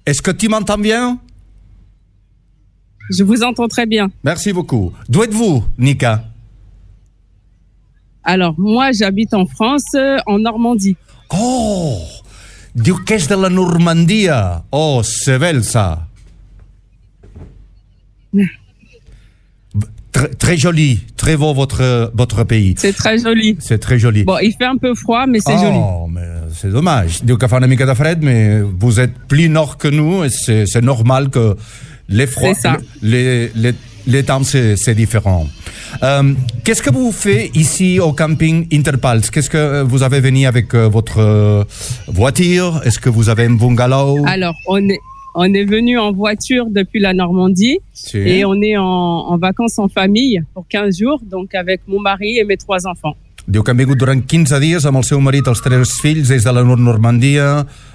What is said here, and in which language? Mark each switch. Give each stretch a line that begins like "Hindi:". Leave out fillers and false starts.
French: Est-ce que tu m'entends bien? Je vous entends très bien. Merci beaucoup. D'où êtes-vous, Nika? Alors, moi, j'habite en France, en Normandie. Oh!
Catalan: Diu que és de la Normandia.
French: Oh, c'est belle, ça. Très joli. Très beau, votre pays. C'est très joli. C'est très joli. Bon, il fait un peu froid, mais c'est joli. Oh, mais c'est dommage. Diu que fa una mica de fred, mais vous êtes plus nord que nous, et c'est normal que... Les froids, les temps, c'est différent. Qu'est-ce que vous faites ici au camping Interpals? Qu'est-ce que vous avez venu avec votre voiture? Est-ce que vous avez un bungalow? Alors, on est venu en voiture depuis la Normandie. Si. Et on est en vacances en famille pour 15 jours, donc avec mon mari et mes trois enfants.
Catalan: Diu que han vingut durant 15 dies amb el seu marit, els tres fills, des de la Normandia,